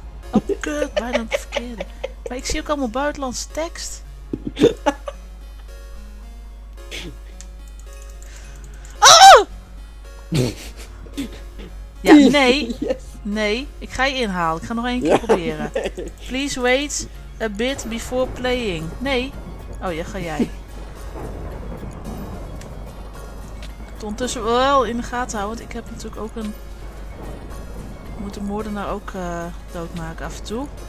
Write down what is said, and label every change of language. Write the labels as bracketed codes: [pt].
[nl] Oh, kut. Bijna het verkeerde. Maar ik zie ook allemaal buitenlandse tekst. Ja, nee. Yes. Nee, ik ga je inhalen. Ik ga nog één keer proberen. Nee. [en] Please wait a bit before playing. [nl] Nee. Oh ja, ga jij. Ik moet ondertussen wel in de gaten houden, want ik heb natuurlijk ook een... Ik moet de moordenaar ook doodmaken af en toe.